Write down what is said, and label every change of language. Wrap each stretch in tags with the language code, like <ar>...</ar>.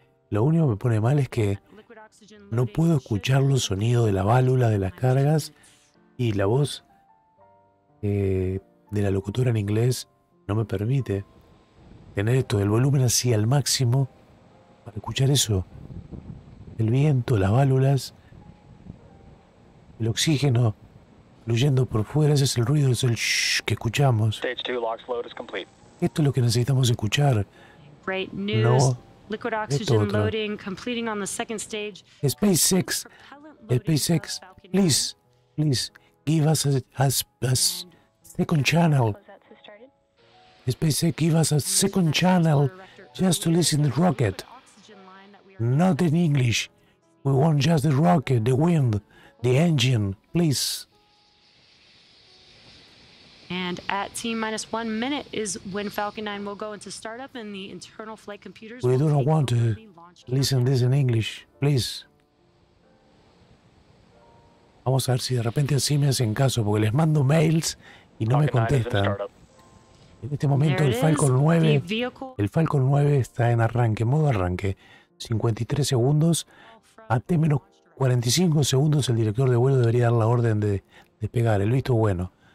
<es>Lo único que me pone mal es que no puedo escuchar los sonidos de la válvula de las cargas y la voz de la locutora en inglés no me permite tener esto, el volumen así al máximo para escuchar eso. El viento, las válvulas, el oxígeno fluyendo por fuera, ese es el ruido, es el shhh que escuchamos.</es> <en>Stage two, locks load is complete.</en> <es>Esto es lo que necesitamos escuchar.</es> <en>Great news. No, liquid oxygen loading completing on the second stage. SpaceX, SpaceX, please, please, give us a second channel. SpaceX, give us a second channel just to listen the rocket. Not in English. We want just the rocket, the wind, the engine, please. And at T-minus 1 minute is when Falcon 9 will go into startup and the internal flight computers we do not want to listen this in English, please.</en> <es>Vamos a ver si de repente así me hacen caso, porque les mando mails y no me contestan. En este momento el Falcon 9, el Falcon 9 está en arranque, modo arranque. 53 segundos, a T-minus 45 segundos el director de vuelo debería dar la orden de despegar, el visto bueno.</es>